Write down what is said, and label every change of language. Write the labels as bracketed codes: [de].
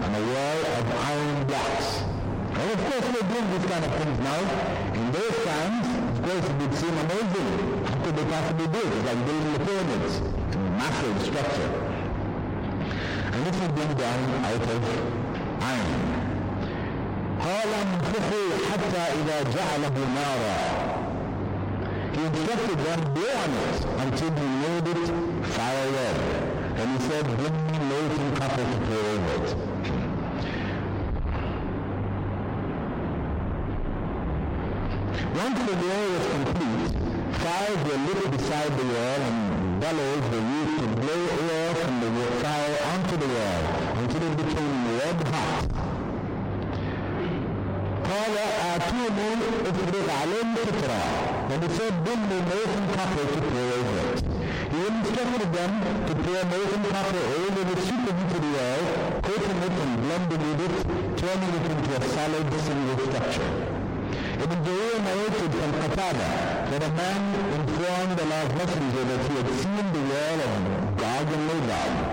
[en] And a wall of iron blocks. And of course they're doing these kind of things now. In those times, of course it would seem amazing. How could they possibly do it? It's like building the pyramids. A massive structure. And this is being done out of iron. [ar] قال انفخوا حتى إذا جعله نارا. [en] He instructed them, blow on it until he made it fire red. And he said, bring me molten copper to pour over it. Once the wall was complete, fires were lit beside the wall and bellows were used to blow air from the fire onto the wall until it became red hot. [ar] قال أعطوني افرغ عليه قطرا. [en] And he said, bring me molten copper to pour over it. He instructed them to pour molten copper over the superheated wall, coating it and blending with it, turning it into a solid single structure. Ibn Jarir narrated from Qatada that a man informed Allah's Messenger that he had seen the wall of Gog and Magog.